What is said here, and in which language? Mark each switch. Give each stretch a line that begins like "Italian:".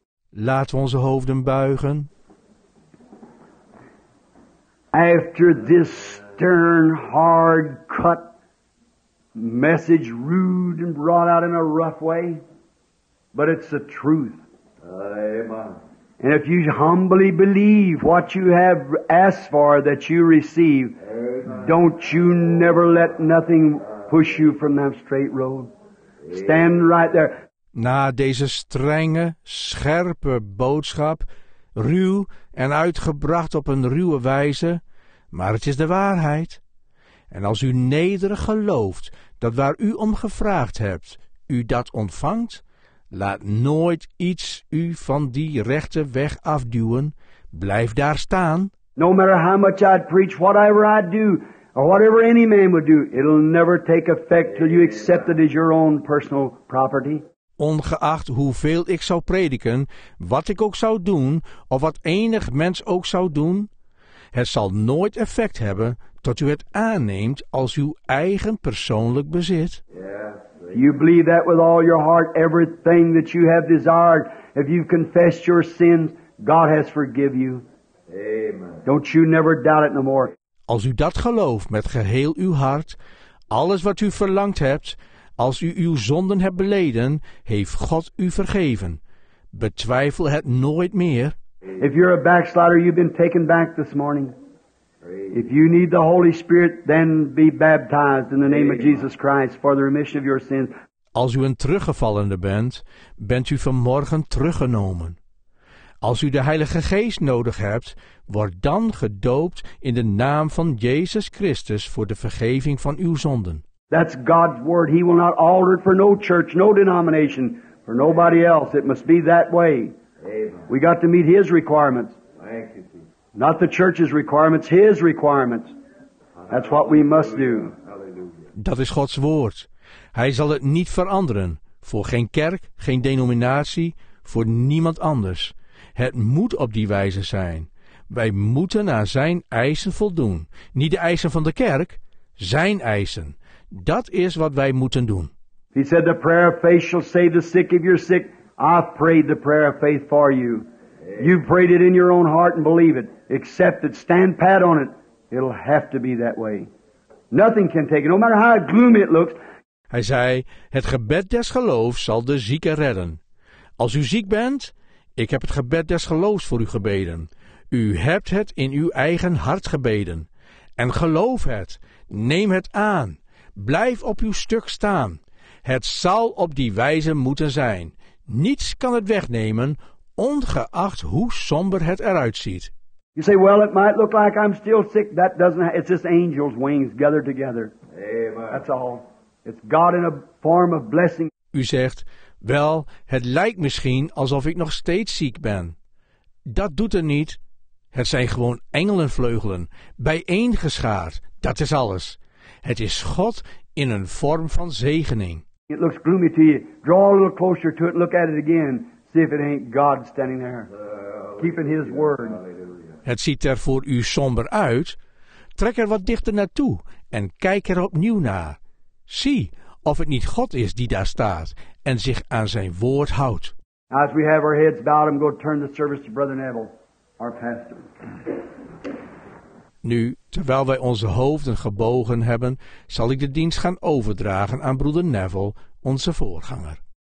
Dutch: Laten we onze hoofden buigen.
English: After this stern, hard cut message, rude and brought out in a rough way, but it's the truth. Amen. And if you humbly believe what you have asked for that you receive, amen, don't you never let nothing push you from that straight road. Amen. Stand right there.
Dutch: Na deze strenge, scherpe boodschap, ruw en uitgebracht op een ruwe wijze, maar het is de waarheid. En als u nederig gelooft dat waar u om gevraagd hebt, u dat ontvangt, laat nooit iets u van die rechte weg afduwen. Blijf daar staan.
English: No matter how much I'd preach, whatever I'd do, or whatever any man would do, it'll never take effect till you accept it as your own personal property.
Dutch: Ongeacht hoeveel ik zou prediken, wat ik ook zou doen, of wat enig mens ook zou doen, het zal nooit effect hebben tot u het aanneemt als uw eigen persoonlijk bezit.
English: You believe that with all your heart, everything that you have desired, if you confess your sins, God has forgiven you. Amen. Don't you never doubt it no more.
Dutch: Als u dat gelooft met geheel uw hart, alles wat u verlangd hebt, als u uw zonden hebt beleden, heeft God u vergeven. Betwijfel het nooit meer.
English: If you're a backslider, you've been taken back this morning. If you need the Holy Spirit, then be baptized in the name of Jesus Christ for the remission of your sins.
Dutch: Als u een teruggevallende bent, bent u vanmorgen teruggenomen. Als u de Heilige Geest nodig hebt, word dan gedoopt in de naam van Jezus Christus voor de vergeving van uw zonden.
English: That's God's word. He will not alter it for no church, no denomination, for nobody else. It must be that way. Amen. We got to meet His requirements. Thank you, Jesus. Not the church's requirements, His requirements. That's what we must do.
Dutch: Dat is Gods woord. Hij zal het niet veranderen. Voor geen kerk, geen denominatie, voor niemand anders. Het moet op die wijze zijn. Wij moeten aan Zijn eisen voldoen. Niet de eisen van de kerk, Zijn eisen. Dat is wat wij moeten doen.
English: He said, the prayer of faith shall save the sick if you're sick. I've prayed the prayer of faith for you. You've prayed it in your own heart and believe it. Accept it. Stand pat on it. It'll have to be that way. Nothing can take it, no matter how gloomy it looks.
Dutch: Hij zei, het gebed des geloofs zal de zieke redden. Als u ziek bent, ik heb het gebed des geloofs voor u gebeden. U hebt het in uw eigen hart gebeden. En geloof het. Neem het aan. Blijf op uw stuk staan. Het zal op die wijze moeten zijn. Niets kan het wegnemen, ongeacht hoe somber het eruit ziet.
English: You say, well, it might look like I'm still sick. That doesn't. It's just angels' wings gathered together. Amen. That's all. It's God in a form of blessing.
Dutch: U zegt, wel, het lijkt misschien alsof ik nog steeds ziek ben. Dat doet er niet. Het zijn gewoon engelenvleugelen, bijeengeschaard. Dat is alles. Het is God in een vorm van zegening.
English: It looks gloomy to you. Draw a little closer to it. Look at it again. See if it ain't God standing there. Hallelujah. Keeping His word.
Dutch: Het ziet er voor u somber uit. Trek er wat dichter naartoe en kijk er opnieuw naar. Zie of het niet God is die daar staat en zich aan zijn woord houdt.
English: As we have our heads bowed, I'm going to turn the service to Brother Neville, our pastor.
Dutch: Nu, terwijl wij onze hoofden gebogen hebben, zal ik de dienst gaan overdragen aan broeder Neville, onze voorganger.